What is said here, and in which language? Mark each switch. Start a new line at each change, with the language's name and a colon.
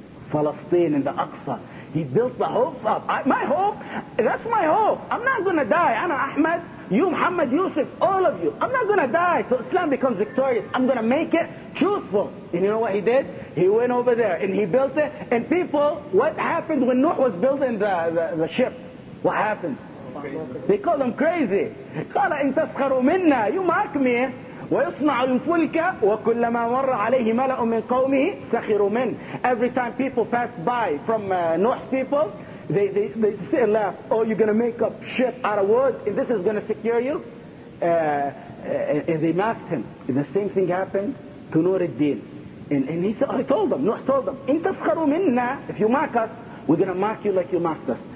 English: Palestine and the Aqsa. He built the hopes up. That's my hope. I'm not going to die. Ana Ahmed, you Muhammad Yusuf, all of you. I'm not going to die till Islam becomes victorious. I'm going to make it truthful. And you know what he did? He went over there and he built it. And people, what happened when Nuh was building the ship? What happened? They call him crazy.
Arabic: قال إن تسخروا منا
English: you mock me
Arabic: ويصنع الفلك وكلما مر عليه ملأ من قومه سخروا من.
English: Every time people pass by from Nuh's people, they say and laugh. Oh, you're gonna make a ship out of wood and this is gonna secure you. And they mocked him. And the same thing happened to Nur al-Din. And he said, Nuh told them,
Arabic: إن تسخروا منا
English: if you mock us, we're gonna mock you like you mocked us.